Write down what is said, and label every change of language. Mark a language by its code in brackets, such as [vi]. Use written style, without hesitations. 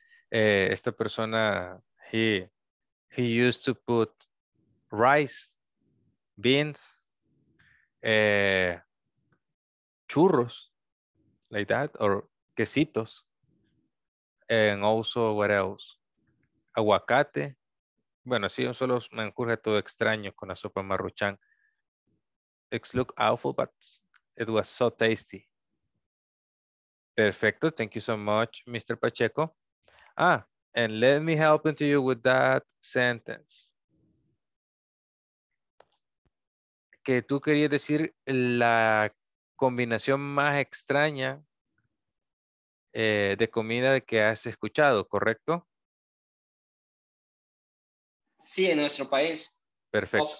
[es] Esta persona, [en] he used to put rice, beans, churros, like that, or quesitos. And also, what else? Aguacate. [es] Bueno, sí, solo me ocurre todo extraño con la sopa maruchan. [en] It looked awful, but it was so tasty. Perfecto. Thank you so much, Mr. Pacheco. Ah, and let me help into you with that sentence. [es] Que tú querías decir la combinación más extraña de comida que has escuchado, ¿correcto? Sí, en nuestro país. Perfecto.